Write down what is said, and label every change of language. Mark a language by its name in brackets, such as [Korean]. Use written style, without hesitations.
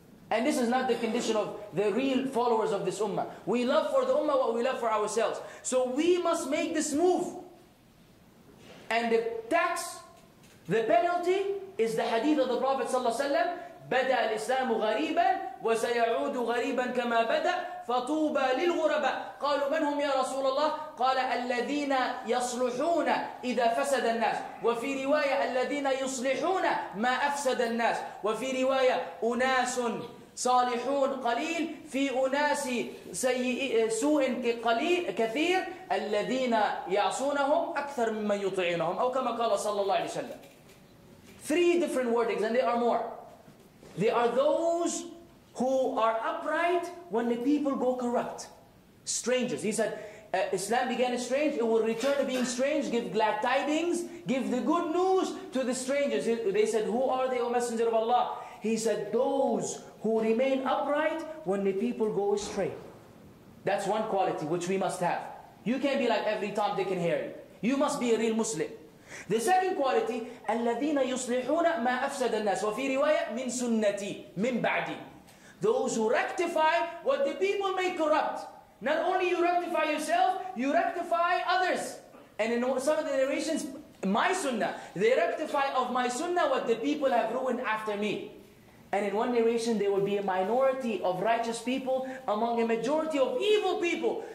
[English] And this is not the condition of the real followers of this ummah. We love for the ummah what we love for ourselves. So we must make this move. And the tax, the penalty, is the hadith of the Prophet ﷺ, [Arabic] بَدَى الْإِسْلَامُ غَرِيبًا وَسَيَعُودُ غَرِيبًا كَمَا بَدَى فَطُوبَى لِلْغُرَبَى. قَالُوا مَنْ هُمْ يَا رَسُولَ اللَّهِ قَالَ الَّذِينَ يَصْلُحُونَ إِذَا فَسَدَ النَّاسِ وَفِي رِوَايَةٍ الَّذِينَ يُصْلِحُونَ مَا أَفْسَدَ النَّاسِ وَفِي رِوَايَةٍ أُنَاسٌ صالحون قليل في أناس سوء قليل كثير الذين يعصونهم أكثر مما يطيعونهم أو كما قال صلى الله عليه وسلم. [English] Three different wordings and they are more. They are those who are upright when the people go corrupt. Strangers. He said, Islam began strange, it will return to being strange, give glad tidings, give the good news to the strangers. They said, who are they, O Messenger of Allah? He said, those who remain upright when the people go astray. That's one quality which we must have. You can't be like every Tom, Dick, and Harry. You must be a real Muslim. The second quality, [Arabic] الَّذِينَ يُصْلِحُونَ مَا أَفْسَدَ النَّاسِ وَفِي رِوَايَةٍ مِنْ سُنَّتِي مِنْ بَعْدِي. [English] Those who rectify what the people may corrupt. Not only you rectify yourself, you rectify others. And in some of the narrations, my sunnah. They rectify of my sunnah what the people have ruined after me. And in one narration, there will be a minority of righteous people among a majority of evil people.